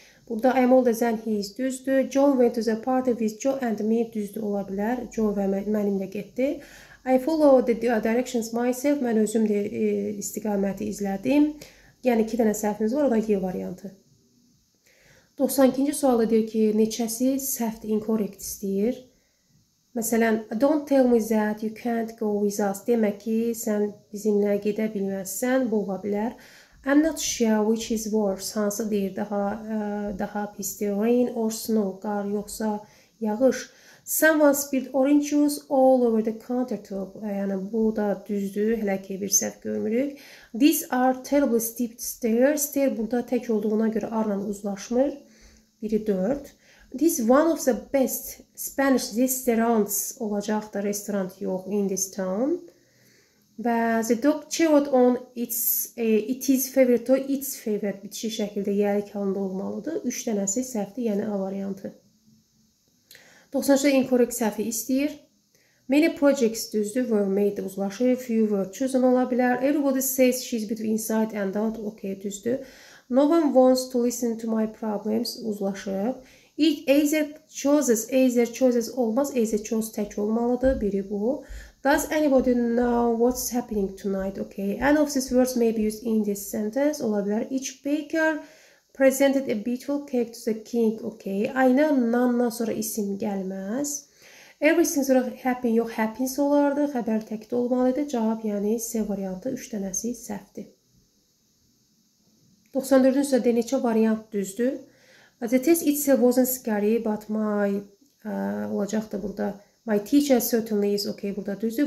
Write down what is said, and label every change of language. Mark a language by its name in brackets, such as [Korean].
[English] Burada I am older than he is düzdür. John went to the party with Joe and me [Azerbaijani] düzdür ola bilər. Joe və mənimlə getdi. [English] I follow the directions myself. [Azerbaijani] Mən özüm de istiqaməti izlədim. Yəni, 2 dənə səhvimiz var. O da Y variantı. 92-ci sualda deyir ki, neçəsi səhvdir, incorrect istəyir. Məsələn, [English] don't tell me that you can't go with us. [Azerbaijani] Demək ki, sən bizimlə gedə bilməzsən. Bu ola bilər. [English] I'm not sure which is worse. [Azerbaijani] Hansı deyir, daha pisdir. [English] Rain or snow, [Azerbaijani] qar yoxsa yağış. [English] Someone spilled orange juice all over the countertop. [Azerbaijani] Yəni, bu da düzdür, hələ ki, bir səhv görmürük. [English] These are terribly steep stairs. [Azerbaijani] Stair burada tək olduğuna görə arla uzlaşmır. Biri 4. [English] This one of the best Spanish restaurants [Azerbaijani] olacaqdır. [English] Restaurant [Azerbaijani] yox [English] in this town. [Azerbaijani] Və [English] the dog chewed on its favorite toy. [Azerbaijani] Its favorite bitişi şəkildə yəlik halında olmalıdır. 3 dənəsi səhvdir, yəni A variantı. 90-cı incorrect səhvi istəyir. [English] Many projects [Azerbaijani] düzdür, [English] were made, [Azerbaijani] uzlaşır, [English] few were chosen [Azerbaijani] ola bilər. [English] Everybody says she's between inside and out, okay, [Azerbaijani] düzdür. [English] No one wants to listen to my problems, [Azerbaijani] uzlaşıb. [English] It either chooses [Azerbaijani] olmaz, [English] either chose [Azerbaijani] tək olmalıdır, [English] biri bu. Does anybody know what's happening tonight, okay? And of these words may be used in this sentence, [Azerbaijani] ola bilər. [English] Each baker presented a beautiful cake to the king, okay? [Azerbaijani] Aynı nanla sonra isim gəlməz. Everything sonra happen, yox, [English] happens [Azerbaijani] olardı. Xəbər təkdə olmalıydı. Cavab, yəni, C variantı, 3 dənəsi səhvdir. 94-cü sualda neçə variant düzdür? [English] The test itself wasn't scary, but my, [Azerbaijani] olacaqdır burada, [English] my teacher certainly is okay, [Azerbaijani] burada düzdür.